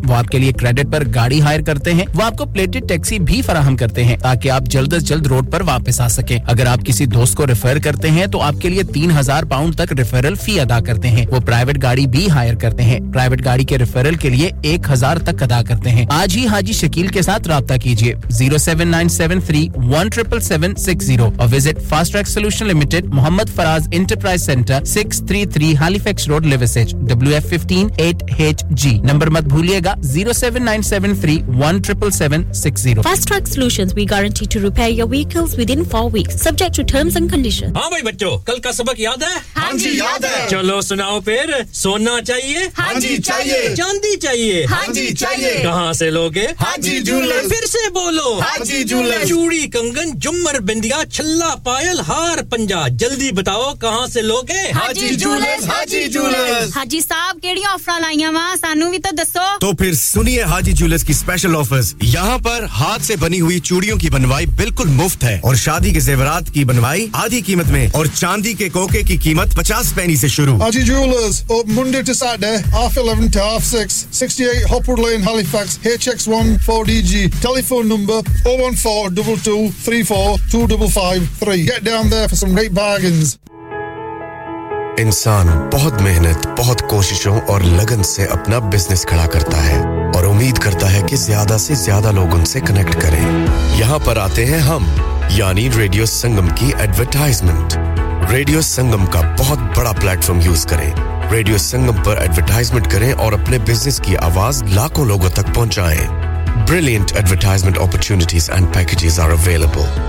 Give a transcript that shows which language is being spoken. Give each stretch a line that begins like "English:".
Hindi: वो आपके लिए क्रेडिट पर गाड़ी हायर करते हैं, वो आपको प्लेटेड टैक्सी भी फराहम करते हैं ताकि आप जल्द से जल्द रोड पर वापस आ सकें। अगर आप किसी दोस्त को रेफर करते हैं तो आपके लिए 3000 पाउंड तक रेफरल फी अदा करते हैं। वो प्राइवेट गाड़ी भी हायर करते हैं, प्राइवेट गाड़ी के रेफरल के लिए 1000 तक अदा करते हैं। आज ही हाजी शकील के साथ राबता कीजिए 07973177760
English: or visit Fast Track Solution Limited, Muhammad Faraz Enterprise Center, 633 Halifax Road, Liversedge, WF158HG.
Hindi: Number mat bhuliyega 07973177760.
English: Fast Track Solutions, we guarantee to repair your vehicles within 4 weeks, subject to terms and conditions.
Hindi: हाँ भाई बच्चों, कल का सबक याद है? हाँ जी याद है। चलो सुनाओ फिर। सोना चाहिए? हाँ जी चाहिए। चांदी चाहिए? हाँ जी चाहिए। कहाँ से लोगे? हाँ जी जूलर्स। फिर से बोलो। हाजी जूलर्स। चूड़ी कंगन जुमर बिंदिया छल्ला पायल हार पंजा, जल्दी बताओ कहां से लोगे? हाजी जूलर्स। हाजी जूलर्स।
Punjabi: हाजी साहब, केड़ी ऑफर लाईया वा, सानू भी तो दसो।
Hindi: तो फिर सुनिए हाजी जूलर्स की स्पेशल ऑफर्स। यहां पर हाथ से बनी हुई चूड़ियों की बनवाई बिल्कुल मुफ्त है और शादी के जेवरात की बनवाई आधी कीमत में और चांदी के कोके की कीमत 50 पैसे से शुरू।
English: Haji jewellers, open Monday to Saturday half 11 to half 6, 68 Hopwood Lane, Halifax, HX14DG। Telephone number 01422342553। Get down there for some great bargains.
Hindi: इंसान बहुत मेहनत, बहुत कोशिशों और लगन से अपना बिजनेस खड़ा करता है और उम्मीद करता है कि ज्यादा से ज्यादा लोग उनसे कनेक्ट करें। यहां पर आते हैं हम, यानी रेडियो संगम की एडवर्टाइजमेंट। रेडियो संगम का बहुत बड़ा प्लेटफॉर्म यूज करें, रेडियो संगम पर एडवर्टाइजमेंट करें और अपने बिजनेस की आवाज लाखों लोगों तक पहुंचाएं।
English: Brilliant advertisement opportunities and packages are available.